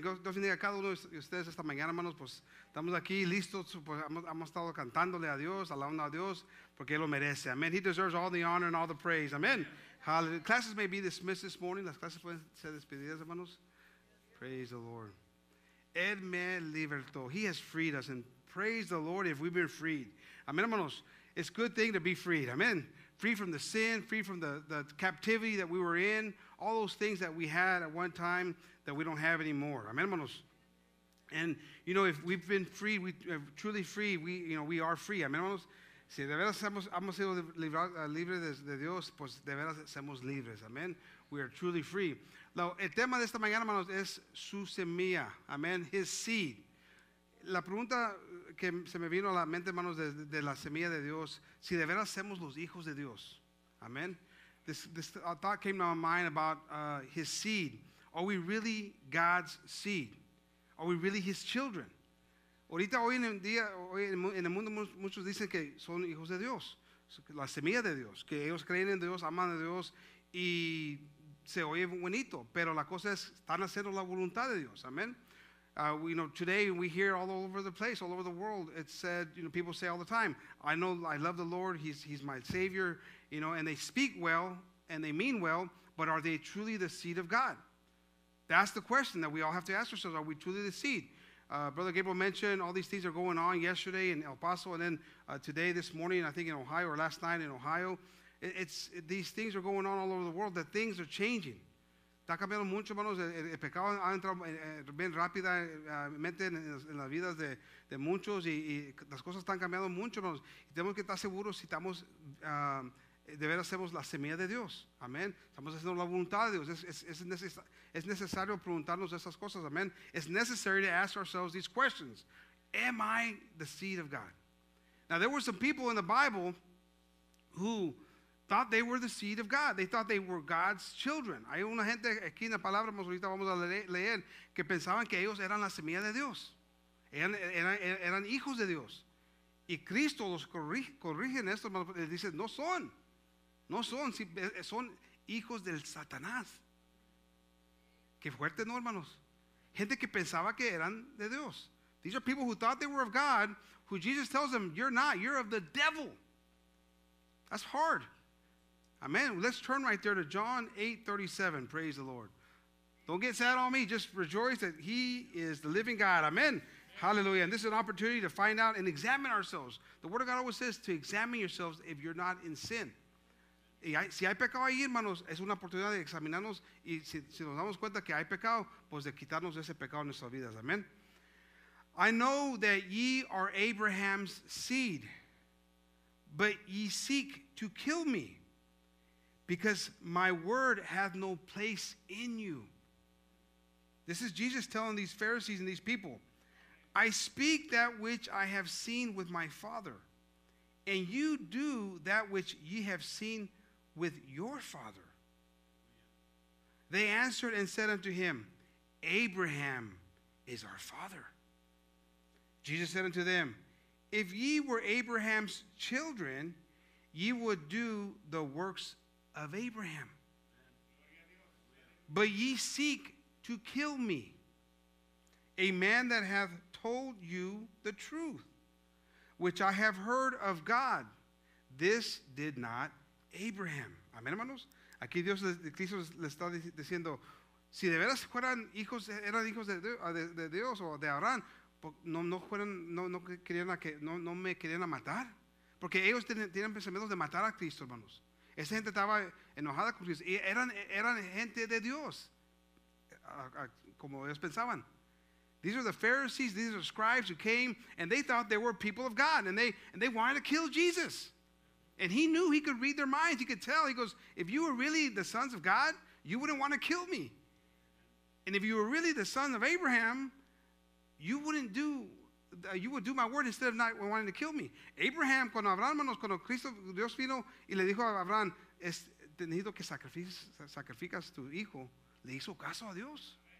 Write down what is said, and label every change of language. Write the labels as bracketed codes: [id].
[es] Dios bendiga a cada uno de ustedes esta mañana, hermanos. Pues estamos aquí listos. Pues hemos estado cantándole a Dios, alabando a Dios, porque Él lo merece. [en] Amen. He deserves all the honor and all the praise. Amen. Hallelujah. Classes may be dismissed this morning. [es] Las clases pueden ser despedidas, hermanos. [en] Praise the Lord. [es] Él me libertó. [en] He has freed us. And praise the Lord if we've been freed. Amen, hermanos. It's a good thing to be freed. Amen. Free from the sin, free from the captivity that we were in, all those things that we had at one time that we don't have anymore. Amen, hermanos. And, you know, if we've been free, we are free. [es] Amen, hermanos. Si de veras hemos sido libres de Dios, pues de veras somos libres. Amen. [en] We are truly free. [es] El tema de esta mañana, hermanos, es su semilla. Amen. [en] His seed. [es] La pregunta que se me vino a la mente, hermanos, de la semilla de Dios, si de veras somos los hijos de Dios. Amen. [en] This thought came to my mind about his seed. Are we really God's seed? Are we really his children? [es] Ahorita, hoy en el día, hoy en el mundo, muchos dicen que son hijos de Dios, la semilla de Dios, que ellos creen en Dios, aman a Dios, y se oye bonito, pero la cosa es, están haciendo la voluntad de Dios. Amen. [en] You know, today we hear all over the place, all over the world, it said, you know, people say all the time, I know, I love the Lord, he's my Savior, you know, and they speak well, and they mean well, but are they truly the seed of God? That's the question that we all have to ask ourselves, are we truly the seed? Brother Gabriel mentioned all these things are going on yesterday in El Paso, and then today, this morning, I think in Ohio, or last night in Ohio. These things are going on all over the world, that things are changing. [es] Está cambiando mucho, hermanos. El pecado ha entrado bien rápidamente en las vidas de muchos y las cosas están cambiando mucho, hermanos. Y tenemos que estar seguros si estamos, de veras hacemos la semilla de Dios. Amén. Estamos haciendo la voluntad de Dios. Es necesario preguntarnos esas cosas. Amén. [en] It's necessary to ask ourselves these questions. Am I the seed of God? Now, there were some people in the Bible who thought they were the seed of God. They thought they were God's children. [es] Hay una gente aquí en la palabra, ahorita vamos a leer, que pensaban que ellos eran la semilla de Dios. Eran hijos de Dios. Y Cristo los corrige en esto, les dice, no son. No son, son hijos del Satanás. Qué fuerte, ¿no, hermanos? Gente que pensaba que eran de Dios. [en] These are people who thought they were of God, who Jesus tells them, you're not, you're of the devil. That's hard. Amen. Let's turn right there to John 8:37. Praise the Lord. Don't get sad on me. Just rejoice that he is the living God. Amen. Hallelujah. And this is an opportunity to find out and examine ourselves. The Word of God always says to examine yourselves if you're not in sin. [es] Y hay, si hay pecado ahí, hermanos, es una oportunidad de examinarnos. Y si nos damos cuenta que hay pecado, pues de quitarnos ese pecado en nuestras vidas. Amen. [en] I know that ye are Abraham's seed, but ye seek to kill me, because my word hath no place in you. This is Jesus telling these Pharisees and these people, I speak that which I have seen with my Father, and you do that which ye have seen with your father. They answered and said unto him, Abraham is our father. Jesus said unto them, if ye were Abraham's children, ye would do the works of Abraham. But ye seek to kill me, a man that hath told you the truth, which I have heard of God. This did not Abraham. [es] Amén, hermanos. Aquí Dios le está diciendo, si de veras fueran hijos, eran hijos de Dios o de Abraham, no me querían matar. Porque ellos tienen pensamientos de matar a Cristo, hermanos. Esa gente estaba enojada con Cristo. Y eran gente de Dios, como ellos pensaban. [en] These are the Pharisees, these are the scribes who came, and they thought they were people of God, and they wanted to kill Jesus. And he knew he could read their minds. He could tell. He goes, if you were really the sons of God, you wouldn't want to kill me. And if you were really the son of Abraham, you would do my word instead of not wanting to kill me. [es] Abraham, cuando Abraham, hermanos, cuando Cristo, Dios vino y le dijo a Abraham, es tenido que sacrificas tu hijo, le hizo caso a Dios.